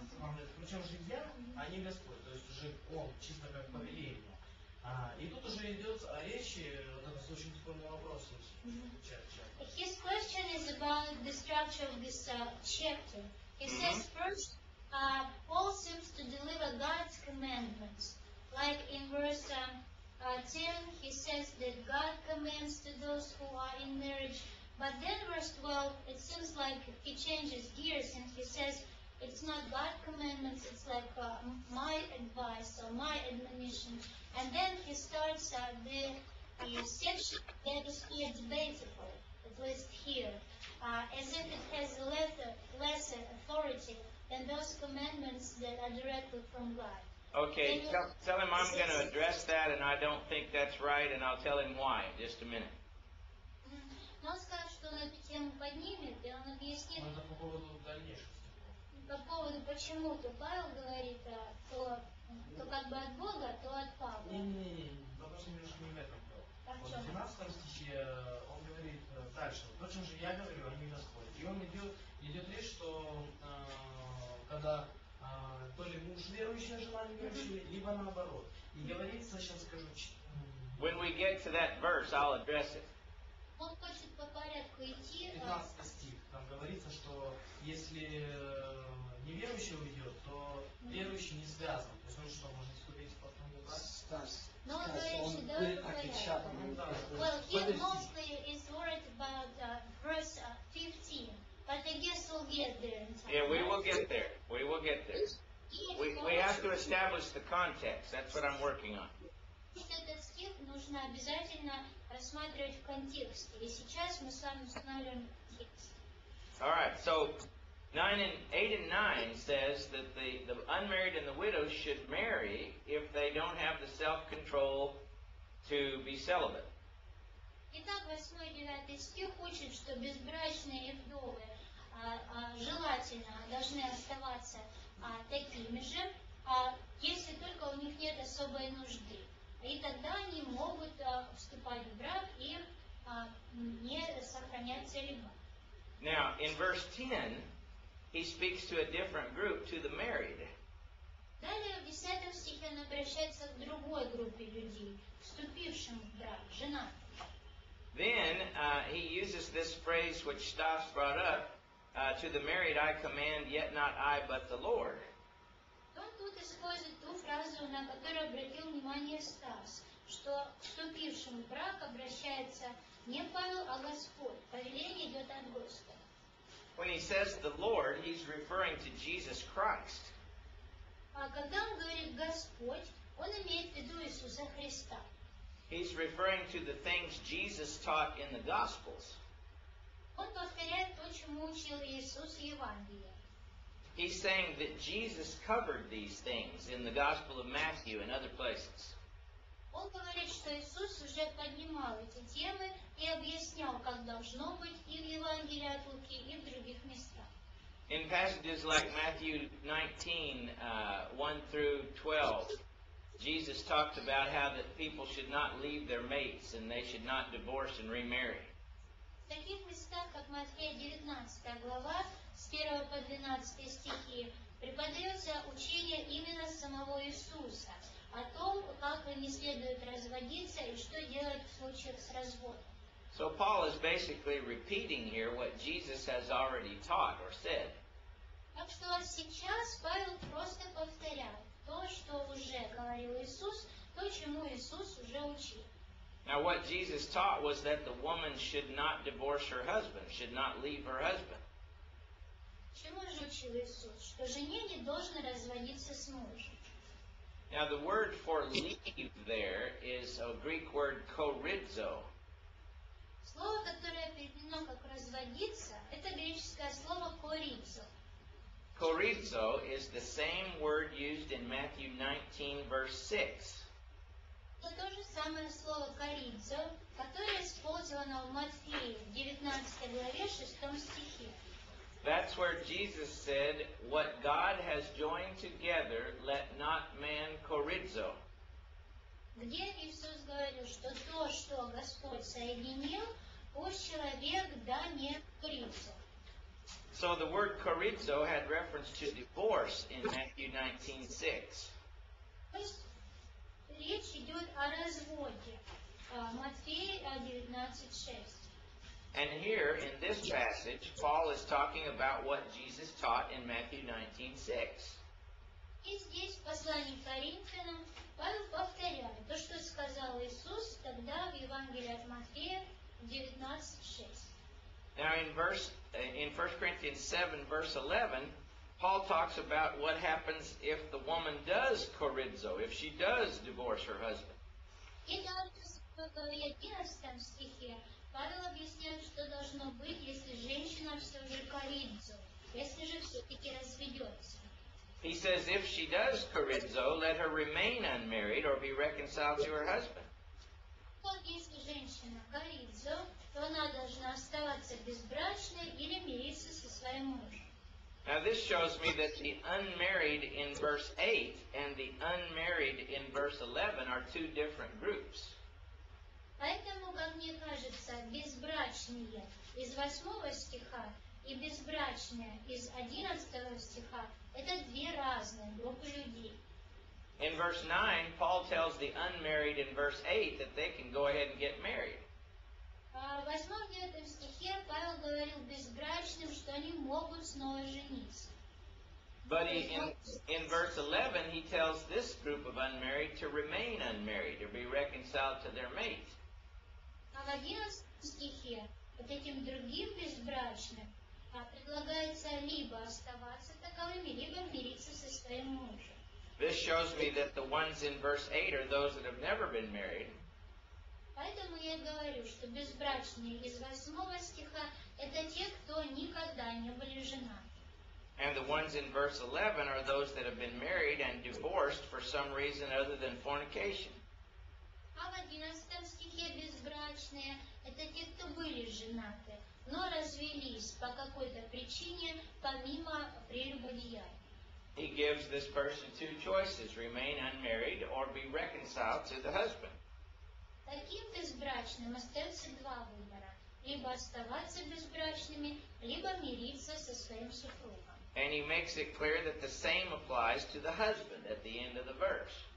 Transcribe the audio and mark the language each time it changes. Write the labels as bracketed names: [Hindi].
[Russian] Он говорит, причем же я, а не Господь. То есть уже он, чисто как повеление. И тут уже идет о речи, вот это с очень спорным вопросом. [English] His question is about the structure of this chapter. He says first, Paul seems to deliver God's commandments. Like in verse 10, he says that God commands to those who are in marriage. But then verse 12, it seems like he changes gears and he says, it's not God's commandments, it's like my advice or my admonition. And then he starts the section that is here debatable, at least here, as if it has a lesser authority than those commandments that are directly from God. Okay, tell him I'm going to address that and I don't think that's right and I'll tell him why in just a minute. [Russian] Но он скажет, что он эту тему поднимет, и он объяснит... Это по поводу дальнейшего. По поводу почему-то Павел говорит, то как бы от Бога, то от Павла. Не-не-не, вопрос немножко не в этом был. Так, в 12 стихе он говорит дальше. Впрочем же, я говорю, они не расходят. И он идет речь, что когда то ли муж верующий, жена не верующая, либо наоборот. И говорится, сейчас скажу... [English] When we get to that verse, I'll address it. [Russian] Он хочет по порядку идти. 15 стих. Там говорится, что если неверующий уйдет, то верующий не связан. То есть он что, может вступить в потомный брак? Стас. Но он говорит, что [English] Well, he mostly is worried about verse 15. But I guess we'll get there in time. Yeah, we will get there. We will get there. We have to establish the context. That's what I'm working on. [Russian] Этот стих нужно обязательно рассматривать в контексте. И сейчас мы с вами устанавливаем текст. [English] All right, so 8 and 9 says that the unmarried and the widow should marry if they don't have the self-control to be celibate. [Russian] Итак, 8-9 стих учит, что безбрачные и вдовы желательно должны оставаться такими же, если только у них нет особой нужды. И тогда они могут вступать в брак и не сохранять целибат. [English] Now, in verse 10, he speaks to a different group, to the married. [Russian] Далее, в 10 стихе он обращается к другой группе людей, вступившим в брак, женатым. [English] Then he uses this phrase which Stas brought up, to the married I command, yet not I, but the Lord. [Russian] Он тут использует ту фразу, на которую обратил внимание Стас, что вступившим в брак обращается не Павел, а Господь. Повеление идет от Господа. [English] When he says the Lord, he's referring to Jesus Christ. [Russian] А когда он говорит Господь, он имеет в виду Иисуса Христа. [English] He's referring to the things Jesus taught in the Gospels. [Russian] Он повторяет то, чему учил Иисус в Евангелии. [English] He's saying that Jesus covered these things in the Gospel of Matthew and other places. [Russian] Он говорит, что Иисус уже поднимал эти темы и объяснял, как должно быть и в Евангелии от Луки, и в других местах. [English] In passages like Matthew 19, 1 through 12, Jesus talked about how that people should not leave their mates and they should not divorce and remarry. [Russian] В таких местах, как Матфея 19 глава, с 1 по 12 стихи, преподается учение именно самого Иисуса о том, как не следует разводиться и что делать в случаях с разводом. [English] So Paul is basically repeating here what Jesus has already taught or said. [Russian] Так что сейчас Павел просто повторяет то, что уже говорил Иисус, то, чему Иисус уже учил. [English] Now what Jesus taught was that the woman should not divorce her husband, should not leave her husband. [Russian] Чему же учил Иисус? Что жене не должно разводиться с мужем. [English] Now the word for leave there is a Greek word chorizo. [Russian] Слово, которое переведено как разводиться, это греческое слово chorizo. [English] Chorizo is the same word used in Matthew 19, verse 6. [Russian] Это то же самое слово chorizo, которое использовано в Матфея 19 главе 6 стихе. [English] That's where Jesus said, what God has joined together, let not man chorizo. [Russian] Где Иисус говорил, что то, что Господь соединил, пусть человек да не chorizo. [English] So the word chorizo had reference to divorce in Matthew 19:6. [Russian] То есть речь идет о разводе. Матфея 19:6. [English] And here in this passage, Paul is talking about what Jesus taught in Matthew 19:6. [Russian] И здесь в послании к Коринфянам Павел повторяет то, что сказал Иисус тогда в Евангелии от Матфея 19:6. [English] Now in 1 Corinthians 7, verse 11, Paul talks about what happens if the woman does chorizo, if she does divorce her husband. [Russian] И также в 11 стихе Павел объясняет, что должно быть, если женщина все же chorizo, если же все-таки разведется. [English] He says, if she does chorizo, let her remain unmarried or be reconciled to her husband. [Russian] Вот если женщина chorizo, то она должна оставаться безбрачной или мириться со своим мужем. [English] Now this shows me that the unmarried in verse 8 and the unmarried in verse 11 are two different groups. [Russian] Поэтому, как мне кажется, безбрачные из 8 стиха и безбрачные из 11 стиха – это две разные группы людей. [English] In verse 9, Paul tells the unmarried in verse 8 that they can go ahead and get married. [Russian] В 8-9 стихе Павел говорил безбрачным, что они могут снова жениться. [English] But in verse 11, he tells this group of unmarried to remain unmarried, to be reconciled to their mate. [Russian] А в 11 стихе вот этим другим безбрачным предлагается либо оставаться таковыми, либо мириться со своим мужем. [English] This shows me that the ones in verse 8 are those that have never been married. [Russian] Поэтому я говорю, что безбрачные из 8 стиха это те, кто никогда не были женаты. [English] And the ones in verse 11 are those that have been married and divorced for some reason other than fornication. [Russian] А в 11 стихе безбрачные – это те, кто были женаты, но развелись по какой-то причине, помимо прелюбодеяния. [English] He gives this person two choices – remain unmarried or be reconciled to the husband. [Russian] Таким безбрачным остается два выбора – либо оставаться безбрачными, либо мириться со своим супругом. [English] And he makes it clear that the same applies to the husband at the end of the verse.